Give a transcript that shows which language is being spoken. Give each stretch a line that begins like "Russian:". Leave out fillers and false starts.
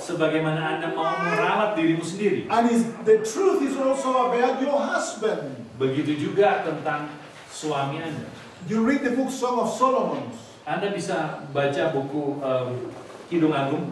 Indonesian: Sebagaimana Anda mau merawat dirimu sendiri.
English: And the truth is also about your husband.
Indonesian: Begitu juga tentang suami Anda.
English: You read the book Song of Solomon.
Indonesian: Anda bisa baca buku Kidung Agung.